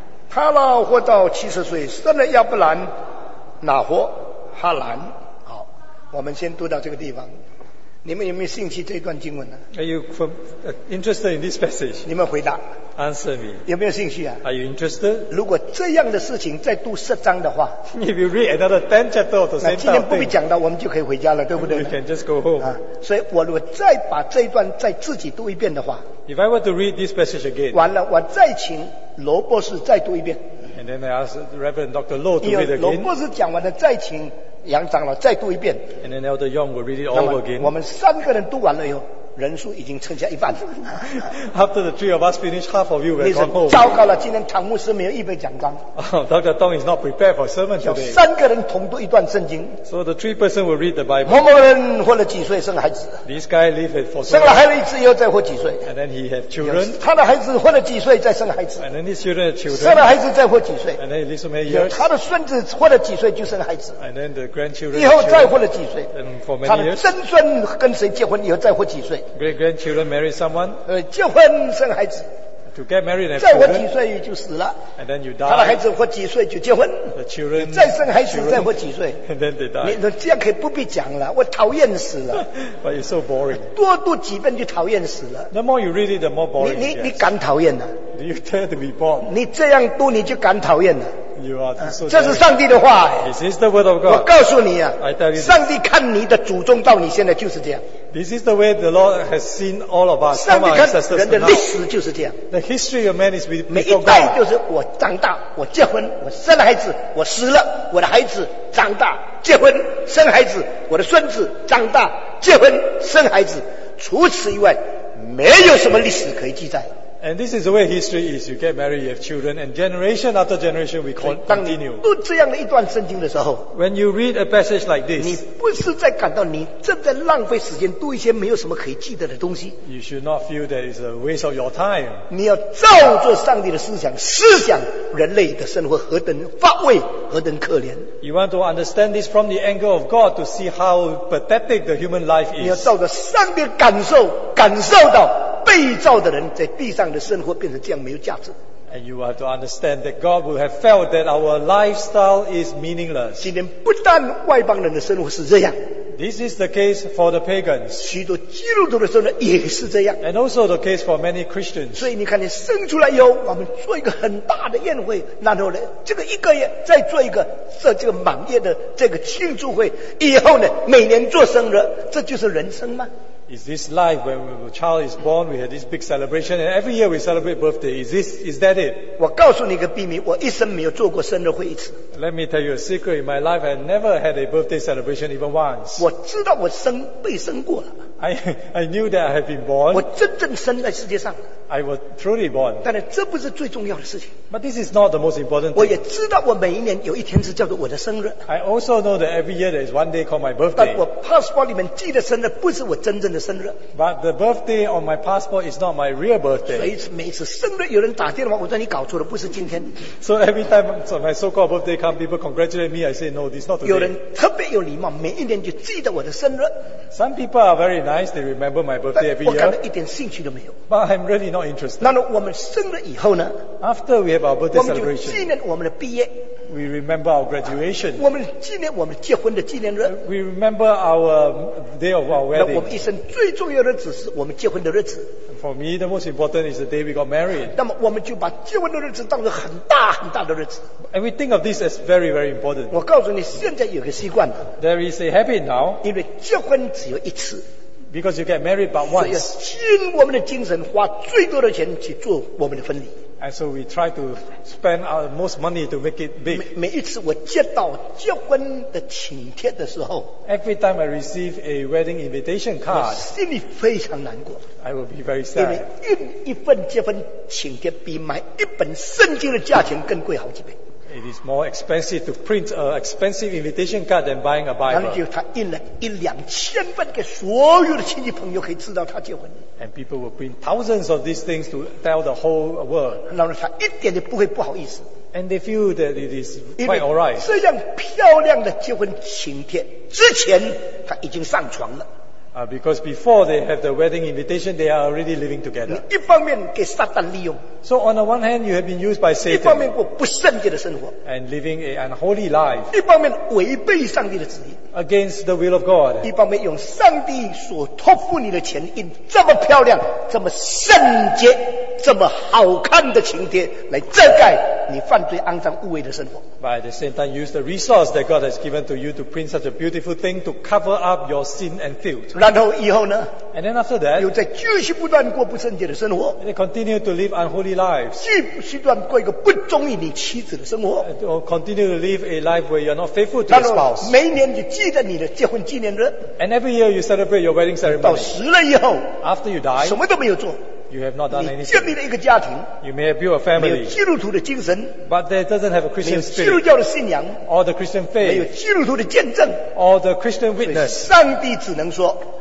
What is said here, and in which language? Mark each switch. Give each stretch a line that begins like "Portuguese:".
Chinese: 塔拉活到七十岁，生了亚伯兰。拿活哈兰。好，我们先读到这个地方。你们有没有兴趣这段经文呢？
English: Are you interested in this passage?
Chinese: 你们回答。
English: Answer me.
Chinese: 有没有兴趣啊？
English: Are you interested?
Chinese: 如果这样的事情再读十章的话，
English: If you read another 10 chapter of the same thing,
Chinese: 那今天不必讲了，我们就可以回家了，对不对？
English: We can just go home.
Chinese: 所以我如果再把这一段再自己读一遍的话，
English: If I were to read this passage again,
Chinese: 完了，我再请罗博士再读一遍。
English: And then I ask Reverend Dr. Low to read again.
Chinese: 罗博士讲完了，再请杨长老再读一遍。
English: And then Elder Young will read it all again.
Chinese: 我们三个人读完了以后，人数已经剩下一半了。
English: After the three of us finish, half of you will come home.
Chinese: 糟糕了，今天唐牧师没有预备讲章。
English: Oh, Dr. Dong is not prepared for sermon today.
Chinese: 三个人同读一段圣经。
English: So the three person will read the Bible.
Chinese: 某某人活了几岁生孩子。
English: This guy lived it for.
Chinese: 生了孩子之后再活几岁。
English: And then he had children.
Chinese: 他的孩子活了几岁再生孩子。
English: And then his children had children.
Chinese: 生了孩子再活几岁。
English: And then he lived so many years.
Chinese: 他的孙子活了几岁就生孩子。
English: And then the grandchildren.
Chinese: 以后再活了几岁。
English: And for many years.
Chinese: 他的曾孙跟谁结婚以后再活几岁。
English: Great grandchildren marry someone.
Chinese: 结婚生孩子。
English: To get married and children.
Chinese: 再活几岁就死了。
English: And then you die.
Chinese: 他的孩子活几岁就结婚。
English: The children.
Chinese: 再生孩子再活几岁。
English: And then they die.
Chinese: 你这样可以不必讲了，我讨厌死了。
English: But it's so boring.
Chinese: 多读几遍就讨厌死了。
English: The more you read it, the more boring.
Chinese: 你敢讨厌了？
English: Do you dare to be bored?
Chinese: 你这样读你就敢讨厌了。
English: You are so
Chinese: 这是上帝的话。
English: This is the word of God.
Chinese: 我告诉你啊，
English: I tell you,
Chinese: 上帝看你的祖宗到你现在就是这样。
English: This is the way the Lord has seen all of us.
Chinese: 上帝看人的历史就是这样。
English: The history of man is before God.
Chinese: 每一代就是我长大，我结婚，我生了孩子，我死了，我的孩子长大，结婚，生孩子，我的孙子长大，结婚，生孩子。除此以外，没有什么历史可以记载。
English: And this is the way history is. You get married, you have children, and generation after generation, we continue.
Chinese: 读这样的一段圣经的时候，
English: when you read a passage like this,
Chinese: 你不是在感到你正在浪费时间读一些没有什么可以记得的东西。
English: You should not feel that it's a waste of your time.
Chinese: 你要照着上帝的思想，思想人类的生活何等乏味，何等可怜。
English: You want to understand this from the angle of God to see how pathetic the human life is.
Chinese: 你要照着上帝的感受，感受到被造的人在地上的生活变成这样没有价值。
English: And you have to understand that God would have felt that our lifestyle is meaningless.
Chinese: 今天不但外邦人的生活是这样。
English: This is the case for the pagans.
Chinese: 许多基督徒的生活也是这样。
English: And also the case for many Christians.
Chinese: 所以你看你生出来以后，我们做一个很大的宴会，然后呢，这个一个月再做一个这个满月的这个庆祝会，以后呢，每年做生日，这就是人生吗？
English: Is this life when a child is born, we have this big celebration, and every year we celebrate birthday? Is that it?
Chinese: 我告诉你一个秘密，我一生没有做过生日会一次。
English: Let me tell you a secret. In my life, I never had a birthday celebration even once.
Chinese: 我知道我被生过了。
English: I knew that I had been born.
Chinese: 我真正生在世界上。
English: I was truly born.
Chinese: 但是这不是最重要的事情。
English: But this is not the most important thing.
Chinese: 我也知道我每一年有一天是叫做我的生日。
English: I also know that every year there is one day called my birthday.
Chinese: 但我 passport 里面记的生日不是我真正的生日。
English: But the birthday on my passport is not my real birthday.
Chinese: 所以每次生日有人打电话，我说你搞错了，不是今天。
English: So every time my so-called birthday come, people congratulate me. I say no, this is not today.
Chinese: 有人特别有礼貌，每一年就记得我的生日。
English: Some people are very nice. They remember my birthday every year.
Chinese: 我根本一点兴趣都没有。
English: But I'm really not interested.
Chinese: 那我们生了以后呢？
English: After we have our birthday celebration,
Chinese: 我们就纪念我们的毕业。
English: We remember our graduation.
Chinese: 我们纪念我们结婚的纪念日。
English: We remember our day of our wedding.
Chinese: 那我们一生最重要的日子是我们结婚的日子。
English: For me, the most important is the day we got married.
Chinese: 那么我们就把结婚的日子当作很大很大的日子。
English: And we think of this as very, very important.
Chinese: 我告诉你，现在有个习惯。
English: There is a habit now.
Chinese: 因为结婚只有一次。
English: Because you get married but once.
Chinese: 所以尽我们的精神，花最多的钱去做我们的婚礼。
English: And so we try to spend our most money to make it big.
Chinese: 每一次我接到结婚的请帖的时候，
English: Every time I receive a wedding invitation card,
Chinese: 我心里非常难过。
English: I will be very sad.
Chinese: 因为印一份结婚请帖比买一本圣经的价钱更贵好几倍。
English: It is more expensive to print an expensive invitation card than buying a Bible.
Chinese: 然后就他印了一两千份给所有的亲戚朋友可以知道他结婚。
English: And people will print thousands of these things to tell the whole world.
Chinese: 然后他一点也不会不好意思。
English: And they feel that it is quite alright.
Chinese: 这样漂亮的结婚请帖之前他已经上床了。
English: Because before they have the wedding invitation, they are already living together.
Chinese: 一方面, 给撒旦利用,
English: so on the one hand, you have been used by Satan.
Chinese: 一方面过不圣洁的生活,
English: and living an unholy life.
Chinese: 一方面违背上帝的旨意,
English: against the will of God.
Chinese: 一方面用上帝所托付你的前印,这么漂亮, 这么圣洁, 这么好看的请帖来遮盖你犯罪肮脏污秽的生活。
English: By the same time, use the resource that God has given to you to print such a beautiful thing to cover up your sin and filth.
Chinese: 然后以后呢?
English: And then after that,
Chinese: 又再继续不断过不圣洁的生活,
English: and they continue to live unholy lives.
Chinese: 继续不断过一个不忠于你妻子的生活,
English: or continue to live a life where you are not faithful to your spouse.
Chinese: 每年就记得你的结婚纪念日,
English: and every year you celebrate your wedding ceremony.
Chinese: 到死了以后,
English: after you die,
Chinese: 什么都没有做,
English: you have not done anything.
Chinese: 建立了一个家庭,
English: you may have built a family.
Chinese: 没有基督徒的精神,
English: but that doesn't have a Christian spirit.
Chinese: 没有基督教的信仰,
English: or the Christian faith.
Chinese: 没有基督徒的见证,
English: or the Christian witness.
Chinese: 所以上帝只能说,